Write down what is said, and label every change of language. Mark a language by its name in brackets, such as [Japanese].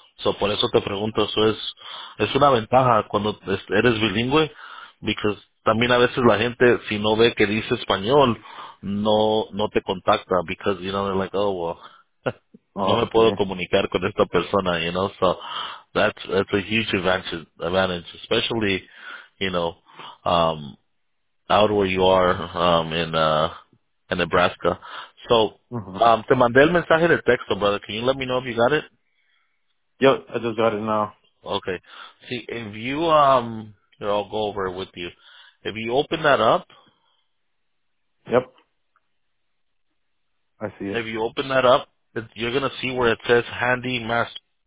[Spanish] So, por eso te pregunto, eso es una ventaja cuando eres bilingüe, because también a veces la gente, si no ve que dice español, no te contacta, [English] because, you know, they're like, oh, well, [Spanish] no me puedo comunicar con esta persona, you know. [English] So, that's a huge advantage, especially, you know, out where you are in Nebraska. [Spanish] So, te mandé el mensaje de texto, brother. [English] Can you let me know if you got it? Yep, I just got it now. Okay. See, if you, here, I'll go over it with you. If you open that up. Yep. I see it. If you open that up, you're going to see where it says Handy Master.